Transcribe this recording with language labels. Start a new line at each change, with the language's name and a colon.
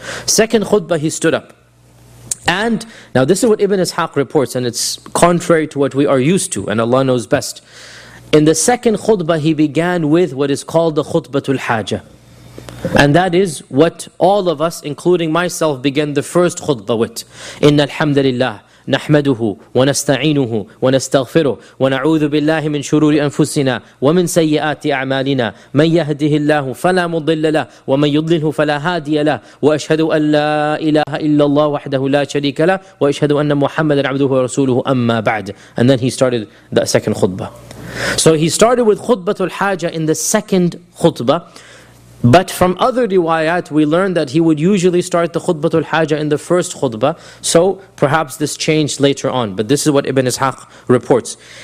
English: Second khutbah, he stood up. And now this is what Ibn Ishaq reports, and it's contrary to what we are used to, and Allah knows best. In the second khutbah, he began with what is called the khutbatul hajah. And that is what all of us, including myself, began the first khutbah with.
Arabic: Inna alhamdulillah. نحمده ونستعينه ونستغفره ونعوذ بالله من شرور أنفسنا ومن سيئات أعمالنا من يهده الله فلا مضل له ومن يضلله فلا هادي له وأشهد أن لا إله إلا الله وحده لا شريك له وأشهد أن محمدا عبده ورسوله أما بعد.
English: And then he started the second khutbah. So he started with khutbatul haja in the second khutbah. But from other riwayat, we learn that he would usually start the khutbatul hajah in the first khutbah. So perhaps this changed later on. But this is what Ibn Ishaq reports.